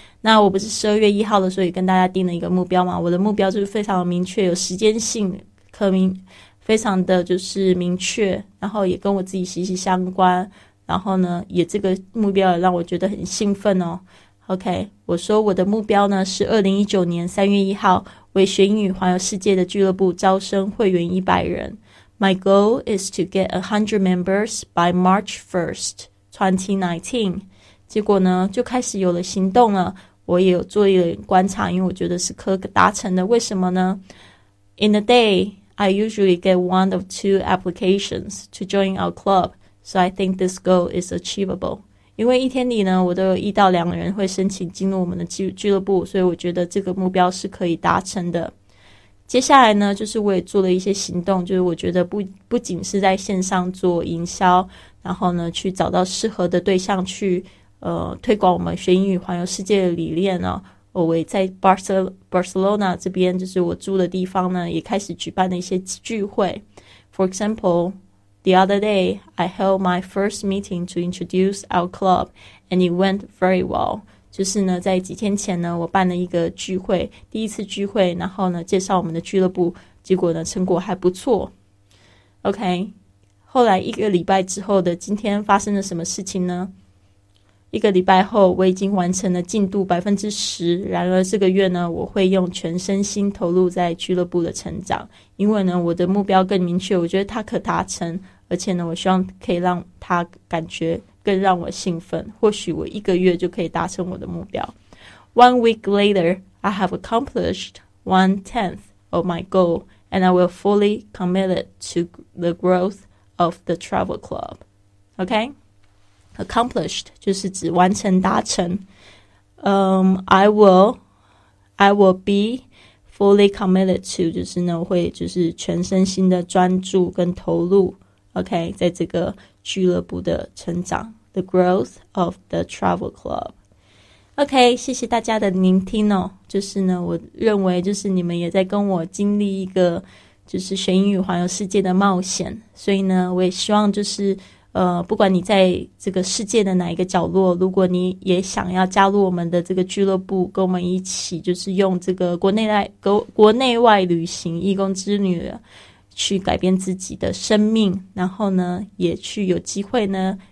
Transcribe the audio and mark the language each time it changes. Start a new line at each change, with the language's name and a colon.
Chinese: 那我不是12月1号的时候也跟大家定了一个目标吗？我的目标就是非常的明确，有时间性，非常的就是明确，然后也跟我自己息息相关，然后呢也这个目标也让我觉得很兴奋哦。 OK， 我说我的目标呢是2019年3月1号为学英语环游世界的俱乐部招生会员100人。
English: My goal is to get 100 members by March 1st, 2019.
Chinese: 结果呢就开始有了行动了。我也有做一点观察，因为我觉得是可达成的。为什么呢？
English: In a day, I usually get one of two applications to join our club, so I think this goal is achievable.
Chinese: 因为一天里呢，我都有一到两个人会申请进入我们的俱乐部，所以我觉得这个目标是可以达成的。接下来呢，就是我也做了一些行动，就是我觉得不仅是在线上做营销，然后呢，去找到适合的对象去推广我们学英语环游世界的理念呢、哦。我也在 Barcelona 这边，就是我住的地方呢，也开始举办了一些聚会。
English: For example, the other day, I held my first meeting to introduce our club, and it went very well.
Chinese: 就是呢，在几天前呢，我办了一个聚会，第一次聚会，然后呢，介绍我们的俱乐部，结果呢，成果还不错。 OK， 后来一个礼拜之后的今天发生了什么事情呢？一个礼拜后，我已经完成了进度 10%， 然而这个月呢，我会用全身心投入在俱乐部的成长，因为呢，我的目标更明确，我觉得它可达成，而且呢，我希望可以让它感觉更让我兴奋，或许我一个月就可以达成我的目标。
English: One week later, I have accomplished 1/10 of my goal and I will fully commit it to the growth of the travel club. OK?
Chinese: Accomplished 就是指完成达成。
English: I will be fully committed to
Chinese: 就是呢会就是全身心的专注跟投入 OK? 在这个俱乐部的成长。
English: The growth of the travel club.
Chinese: OK, 谢谢大家的聆听哦。就是呢，我认为就是你们也在跟我经历一个就是学英语环游世界的冒险。所以呢，我也希望就是不管你在这个世界的哪一个角落，如果你也想要加入我们的这个俱乐部，跟我们一起就是用这个国内外旅行义工之旅去改变自己的生命，然后呢，也去有机会呢。